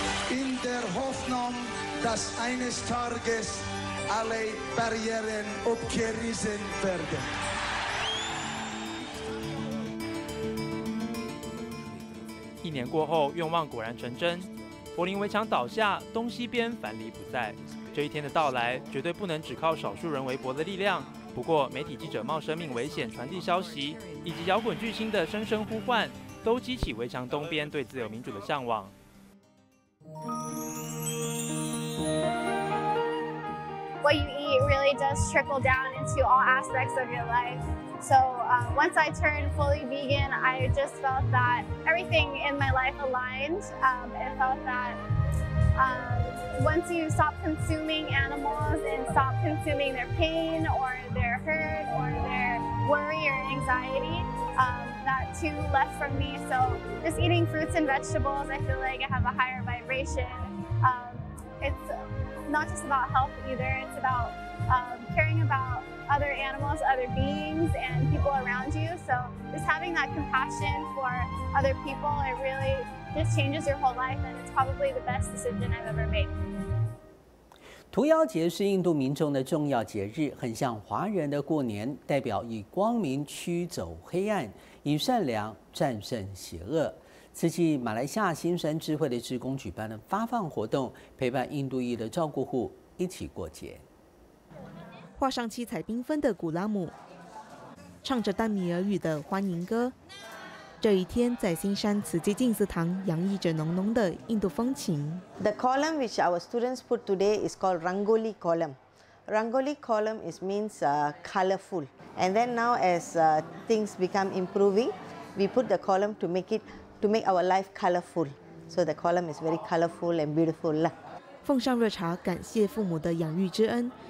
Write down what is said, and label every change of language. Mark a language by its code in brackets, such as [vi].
[de] In der Hoffnung, dass eines Tages alle Barrieren abgerissen werden. [zh] 一年过后，愿望果然成真，柏林围墙倒下，东西边藩篱不在。这一天的到来绝对不能只靠少数人微薄的力量，不过媒体记者冒生命危险传递消息，以及摇滚巨星的声声呼唤，都激起围墙东边对自由民主的向往。 [en] What you eat really does trickle down into all aspects of your life. So, once I turned fully vegan, I just felt that everything in my life aligned. I felt that once you stop consuming animals and stop consuming their pain or their hurt or their worry or anxiety, that too left from me. So just eating fruits and vegetables, I feel like I have a higher vibration. It's not just about health either, it's about caring about other animals, other beings, and people around you. So just having that compassion for other people, it really just changes your whole life, and it's probably the best decision I've ever made. [zh] 屠妖节是印度民众的重要节日，很像华人的过年，代表以光明驱走黑暗，以善良战胜邪恶。此际马来西亚新山智慧的志工举办了发放活动，陪伴印度裔的照顾户一起过节。画上七彩缤纷的古拉姆，唱着淡米尔语的欢迎歌，这一天在新山慈济净慈堂洋溢着浓浓的印度风情。 [en] The column which our students put today is called Rangoli column. Rangoli column is means colorful. And then now as things become improving, we put the column to make our life colorful. So the column is very colorful and beautiful. [zh] 奉上热茶，感谢父母的养育之恩。